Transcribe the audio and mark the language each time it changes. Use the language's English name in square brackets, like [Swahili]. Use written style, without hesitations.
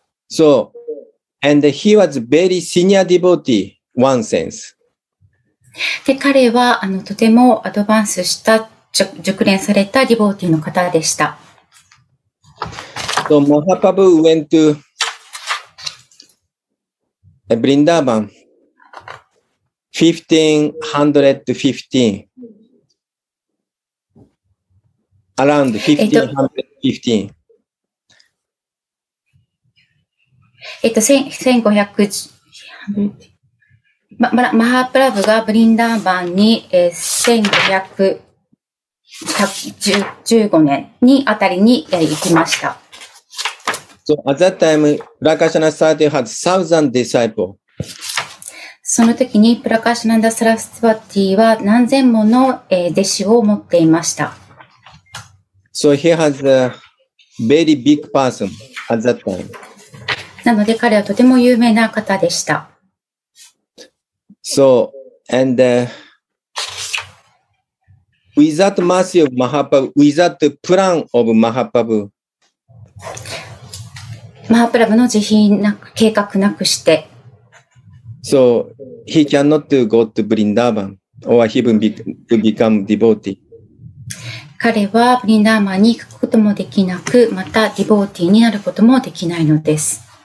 [English] So, and he was very senior devotee, one sense. [Japanese] で、彼はとてもアドバンスした熟練されたディボーティーの方でした。 [English] So, Mahaprabhu went to Vrindavan, 1515. Around 1515. 1500. [Japanese] マハプラブがブリンダーバンに1515年にあたりに行きました。 [English] So at that time, Prakashananda Saraswati had 1,000 disciples. [Japanese] その時にプラカシナンダ・サラスワティは何千もの弟子を持っていました。 [English] So he has a very big person at that time. [Japanese] なので彼はとても有名な方でした。 [English] So, and without mercy of Mahaprabhu, without the plan of Mahaprabhu, [Japanese] マハプラブの慈悲なく計画なくして、 [English] So he cannot go to Vrindavan or even to become devotee. [Japanese] 彼はブリンダーバンに行くこともできなく、またディボーティーになることもできないのです。